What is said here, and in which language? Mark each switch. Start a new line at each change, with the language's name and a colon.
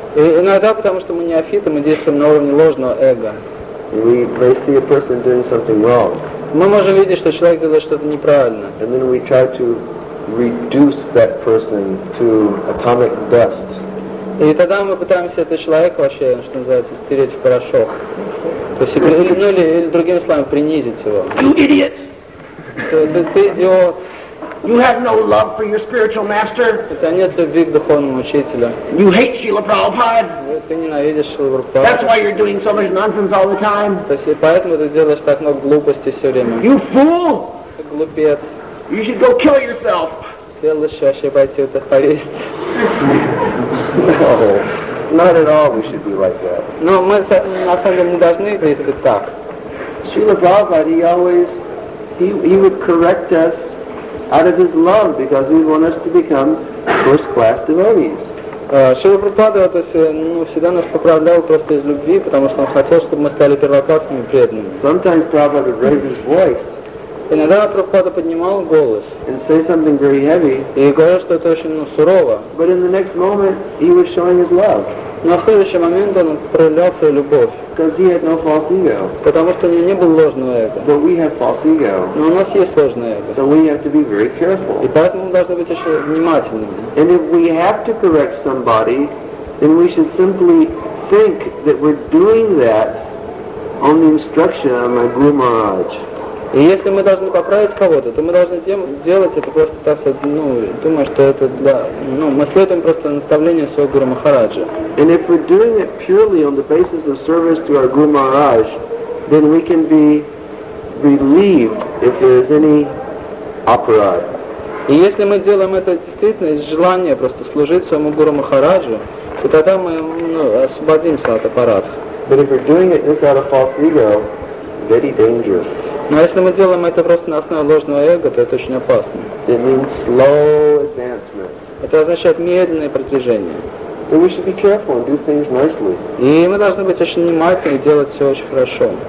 Russian: И иногда потому что мы неофиты, мы действуем на уровне ложного эго.
English: We may see a person doing something wrong.
Russian: Мы можем видеть, что человек делает что-то неправильно.
English: And then we try to reduce that person to atomic dust.
Russian: И тогда мы пытаемся этого человека вообще, что называется, стереть в порошок. То есть, ну, или другими словами, принизить его.
English: You idiot!
Russian: Ты идиот!
English: You have no love for your spiritual master.
Russian: У тебя нет любви к духовному учителю.
English: You hate Srila Prabhupada.
Russian: Ты ненавидишь Шрилу Прабхупаду.
English: That's why you're doing so much nonsense all the time.
Russian: То есть поэтому ты делаешь так много глупостей все время.
English: You fool.
Russian: Ты глупец.
English: You should go kill yourself.
Russian: Ты лучше вообще пойти утопиться.
English: No, not at all. We should be like that.
Russian: Но мы на самом деле не должны быть так.
English: Srila Prabhupada, he would correct us. Out of his love, because he wants us to become first-class devotees.
Russian: Шрила Прабхупада, то есть, ну, всегда нас поправлял просто из любви, потому что он хотел, чтобы мы стали первоклассными преданными.
English: Sometimes Prabhupada raised his voice.
Russian: Иногда Прабхупада поднимал голос.
English: And say something very heavy.
Russian: И говорил что-то очень, ну, сурово.
English: But in the next moment, he was showing his love.
Russian: Но в следующий момент он проявлял свою любовь.
English: Because he had no false ego.
Russian: Потому что у него не было ложного эго.
English: But we have false ego.
Russian: Но у нас есть ложное эго.
English: So we have to be very careful.
Russian: И поэтому мы должны быть еще внимательными.
English: And if we have to correct somebody, then we should simply think that we're doing that on the instruction of my Guru Maharaj.
Russian: И если мы должны поправить кого-то, то мы должны делать это просто так, ну, думая, что это для... Ну, мы следуем просто наставлению своего Гуру Махараджа.
English: And if we're doing it purely on the basis of service to our Guru Maharaj, then we can be relieved if there is any apparat.
Russian: И если мы делаем это действительно из желания просто служить своему Гуру Махараджу, то тогда мы, ну, освободимся от аппарата.
English: But if we're doing it just out of false ego, very dangerous.
Russian: Но если мы делаем это просто на основе ложного эго, то это очень опасно.
English: It means slow advancement.
Russian: Это означает медленное продвижение.
English: And we should be careful and do things nicely.
Russian: И мы должны быть очень внимательны и делать все очень хорошо.